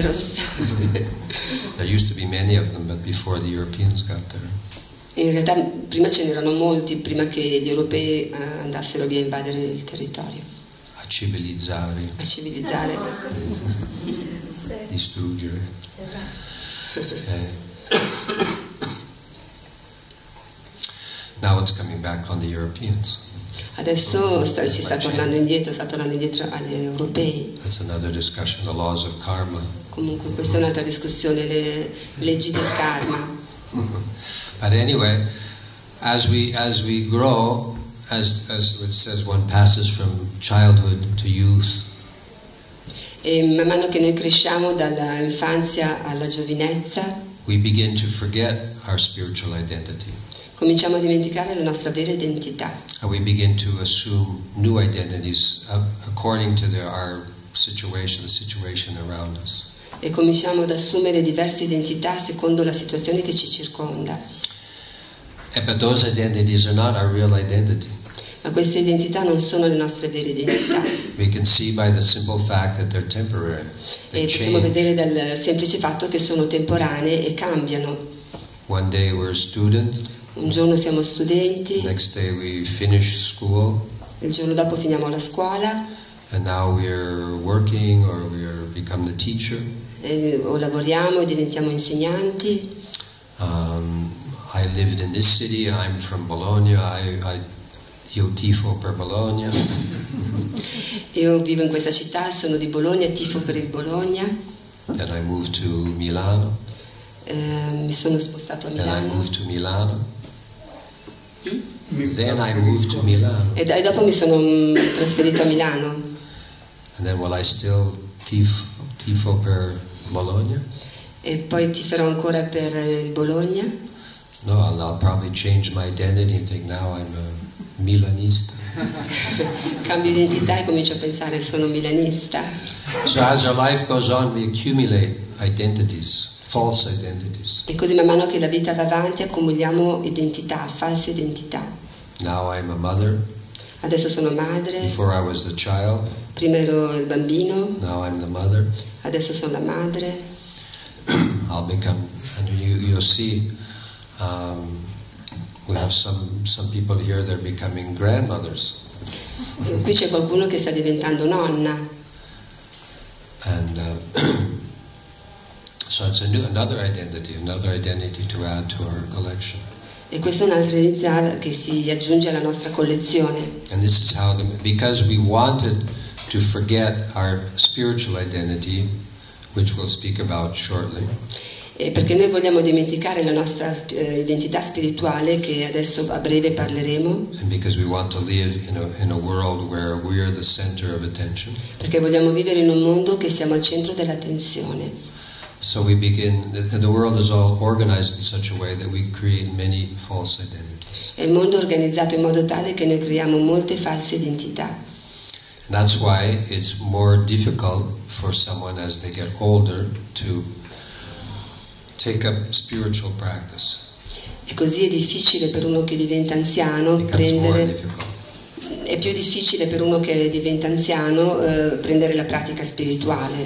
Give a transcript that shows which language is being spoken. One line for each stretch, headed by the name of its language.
English: There used to be many of them, but before the Europeans got there.
Italian: In realtà, prima ce n'erano molti prima che gli europei andassero via a invadere il territorio. A civilizzare. A civilizzare. Distruggere.
English: Now it's coming back on the Europeans.
Italian: Adesso ci sta tornando indietro, sta tornando indietro agli europei.
English: That's another discussion, the laws of karma.
Italian: Comunque questa è un'altra discussione, le leggi del karma.
English: But anyway, as we grow, as it says, one passes from childhood to youth.
Italian: E man mano che noi cresciamo dall'infanzia alla giovinezza.
English: We begin to forget our spiritual identity.
Italian: Cominciamo a dimenticare la nostra vera identità.
English: And we begin to assume new identities according to our situation, the situation around us.
Italian: E cominciamo ad assumere diverse identità secondo la situazione che ci circonda.
English: But those identities are not our real identity.
Italian: Ma queste identità non sono le nostre vere identità.
English: We can see by the simple fact that they're temporary.
Italian: E possiamo vedere dal semplice fatto che sono temporanee e cambiano.
English: One day we're a student.
Italian: Un giorno siamo studenti.
English: Next day we finish school.
Italian: Il giorno dopo finiamo la scuola.
English: And now we're working or we become the teacher.
Italian: O lavoriamo e diventiamo insegnanti.
English: I lived in this city. I'm from Bologna.
Italian: Io tifo per Bologna. Io vivo in questa città, sono di Bologna, tifo per il Bologna.
English: Then I moved to Milano.
Italian: mi sono spostato a Milano.
English: And I moved to Milano. Then I moved to Milano.
Italian: E dopo mi sono trasferito a Milano.
English: And then while I still
Italian: tifo per Bologna. E poi tiferò ancora per Bologna.
English: No, I'll probably change my identity and think now I'm a Milanista.
Italian: Cambio identità e comincio a pensare sono milanista.
English: So as our life goes on, we accumulate identities, false identities.
Italian: E così man mano che la vita va avanti accumuliamo identità, false identità.
English: Now I'm a mother.
Italian: Adesso sono madre.
English: Before I was the child.
Italian: Prima ero il bambino.
English: Now I'm the mother.
Italian: Adesso sono la madre.
English: I'll become, and you'll see. We have some people here that are becoming grandmothers.
Italian: Qui c'è qualcuno che sta diventando nonna.
English: And so it's another identity to add to our collection.
Italian: E questa è un'altra identità che si aggiunge alla nostra collezione.
English: And this is how because we wanted to forget our spiritual identity, which we'll speak about shortly.
Italian: E perché noi vogliamo dimenticare la nostra identità spirituale che adesso a breve parleremo.
English: And because we want to live in a world where we are the center of attention.
Italian: Perché vogliamo vivere in un mondo che siamo al centro dell'attenzione.
English: So we begin, and the world is all organized in such a way that we create many false identities.
Italian: E il mondo è organizzato in modo tale che noi creiamo molte false identità.
English: And that's why it's more difficult for someone as they get older to take up spiritual practice.
Italian: E così è difficile per uno che diventa anziano prendere. È più difficile per uno che diventa anziano prendere la pratica spirituale.